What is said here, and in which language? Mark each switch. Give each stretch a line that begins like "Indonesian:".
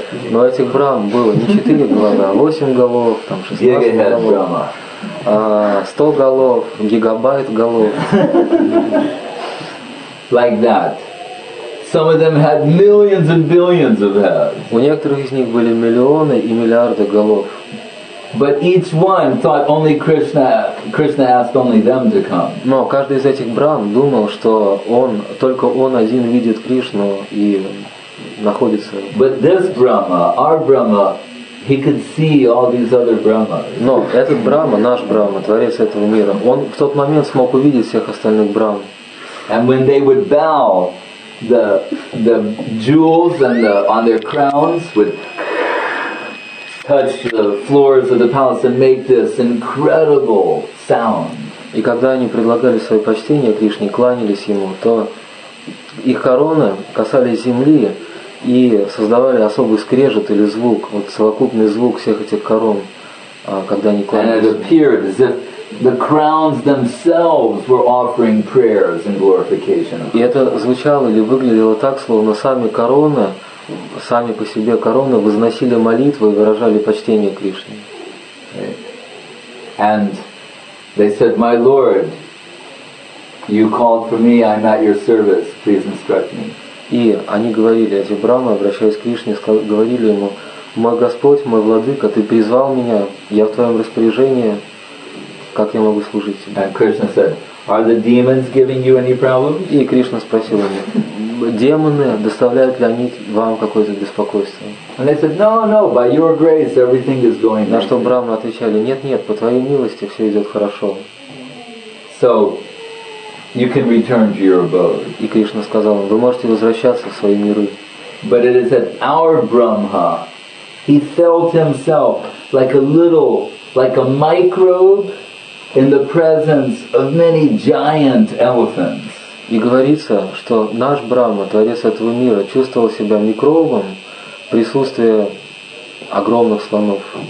Russian: Но этих Брахм было не 4 головы, а 8 голов, там 16 голов, 100 голов, гигабайт голов.
English: Like that. Some of them had millions and billions of heads.
Russian: У некоторых из них были миллионы и миллиарды голов.
English: But each one thought only Krishna asked only them to come.
Russian: Но каждый из этих Брахм думал, что он, только он один видит Кришну и находится.
English: But this Brahma, our Brahma, he could see all these other Brahmas.
Russian: Но этот Брахма, наш Брахма, творец этого мира, он в тот момент смог увидеть всех остальных Брахм.
English: And when they would bow, the jewels and the on their crowns would touch the floors of the palace and make this incredible sound.
Russian: И когда они предлагали свои почтения Кришне, кланялись ему, то их короны касались земли и создавали особый скрежет или звук, вот совокупный звук всех этих корон, когда они кланялись.
English: And it appeared as if the crowns themselves were offering prayers and glorification.
Russian: И это звучало или выглядело так, словно сами короны, сами по себе короны, возносили молитвы и выражали почтение Кришне.
English: And they said, "My Lord, you called for me. I'm at your service. Please instruct me."
Russian: И они говорили, эти Брахмы, обращаясь к Кришне, говорили ему: «Мой Господь, мой Владыка, ты призвал меня, я в твоем распоряжении, как я могу служить тебе?»
English: And Krishna said, are the demons giving you any problems?
Russian: И Кришна спросил у них: «Демоны, доставляют ли они вам какое-то беспокойство?»
English: And they said, no, by your grace everything is going.
Russian: На что Брахмы отвечали: «Нет, по твоей милости все идет хорошо».
English: So, you can return to your abode.
Russian: И Кришна сказал им: вы можете возвращаться в свои миры.
English: But it is that our Brahma, he felt himself like a little, like a microbe in the presence of many giant elephants.
Russian: И говорится, что наш Брахма, творец этого мира, чувствовал себя микробом в присутствии огромных слонов.